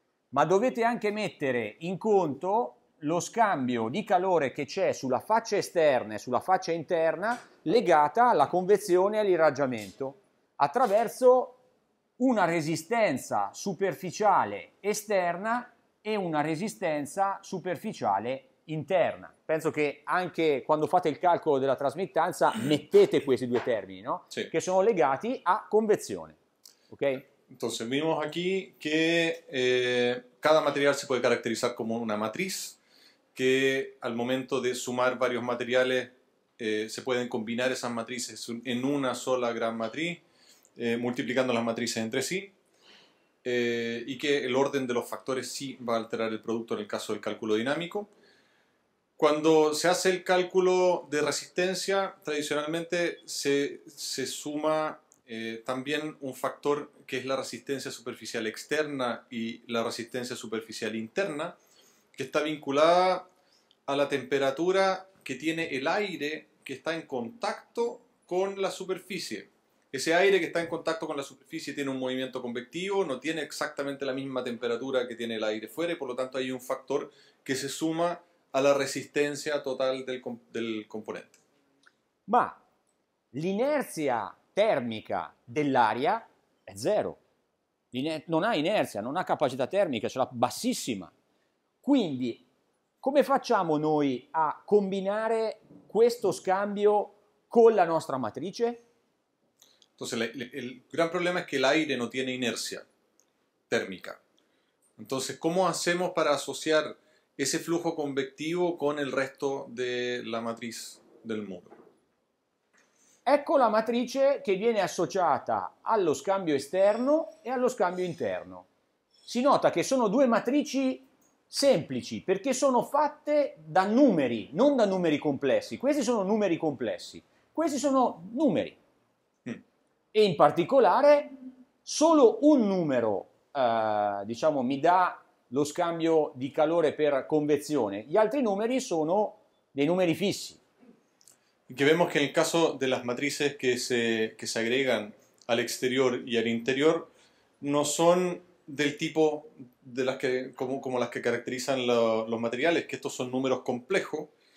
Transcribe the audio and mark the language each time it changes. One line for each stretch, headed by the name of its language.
Italian: ma dovete anche mettere in conto lo scambio di calore che c'è sulla faccia esterna e sulla faccia interna legata alla convezione e all'irraggiamento attraverso una resistenza superficiale esterna e una resistenza superficiale interna. Penso che anche quando fate il calcolo della trasmittanza mettete questi due termini, no? Sì. Che sono legati a convezione. Ok?
Spanish: Entonces vimos aquí que cada material se puede caracterizar como una matriz, que al momento de sumar varios materiales se pueden combinar esas matrices en una sola gran matriz, multiplicando las matrices entre sí, y que el orden de los factores sí va a alterar el producto en el caso del cálculo dinámico. Cuando se hace el cálculo de resistencia, tradicionalmente se suma también un factor que es la resistencia superficial externa y la resistencia superficial interna, que está vinculada a la temperatura que tiene el aire que está en contacto con la superficie. Ese aire que está en contacto con la superficie tiene un movimiento convectivo, no tiene exactamente la misma temperatura que tiene el aire fuera, y por lo tanto hay un factor que se suma a la resistencia total del componente.
Italian: Ma l'inerzia termica dell'aria è zero. Non ha inerzia, non ha capacità termica, ce l'ha bassissima. Quindi, come facciamo noi a combinare questo scambio con la nostra matrice?
Spanish: Entonces, el gran problema es que el aire no tiene inercia térmica. Entonces, ¿cómo hacemos para asociar ese flujo convectivo con el resto de la matriz del muro?
Italian: Ecco la matrice che viene associata allo scambio esterno e allo scambio interno. Si nota che sono due matrici semplici perché sono fatte da numeri, non da numeri complessi. Questi sono numeri complessi, questi sono numeri. E in particolare solo un numero, diciamo, mi dà lo scambio di calore per convezione. Gli altri numeri sono dei numeri fissi.
Spanish: Que vemos que en el caso de las matrices que se agregan al exterior y al interior, no son del tipo de las que, como las que caracterizan los materiales, que estos son números complejos.